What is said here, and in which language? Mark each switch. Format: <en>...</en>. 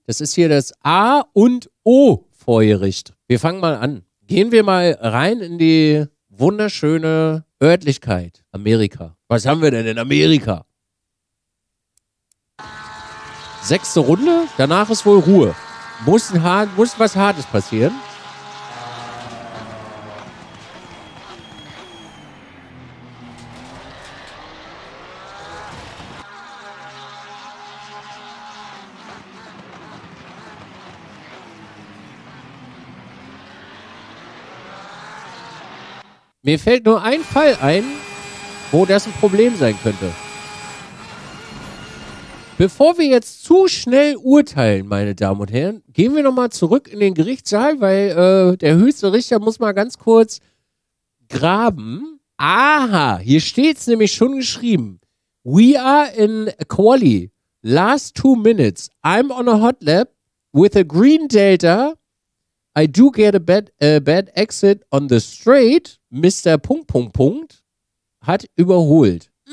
<de>Das ist hier das A und O vor Gericht. Wir fangen mal an. Gehen wir mal rein in die wunderschöne Örtlichkeit Amerika. Was haben wir denn in Amerika? Sechste Runde, danach ist wohl Ruhe. Muss was Hartes passieren. Mir fällt nur ein Fall ein, wo das ein Problem sein könnte. Bevor wir jetzt zu schnell urteilen, meine Damen und Herren, gehen wir nochmal zurück in den Gerichtssaal, weil der höchste Richter muss mal ganz kurz graben. Aha, hier steht es nämlich schon geschrieben.</de> <en>We are in a quali. Last 2 minutes. I'm on a hot lap with a green delta. I do get a bad exit on the straight. Mr.</en> <de>Punkt, Punkt, Punkt hat überholt.</de>